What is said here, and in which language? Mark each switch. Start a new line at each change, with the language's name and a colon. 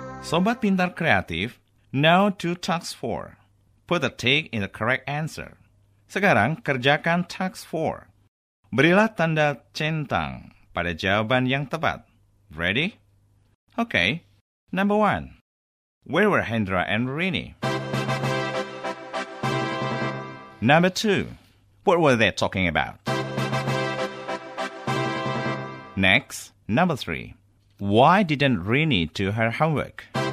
English: Sobat Pintar Kreatif, now do task 4. Put the tick in the correct answer.
Indonesian: Sekarang kerjakan task 4. Berilah tanda centang pada jawaban yang tepat.
English: Ready? Okay. Number 1. Where were Hendra and Rini? Number 2. What were they talking about? Next, number 3. Why didn't Rini do her homework?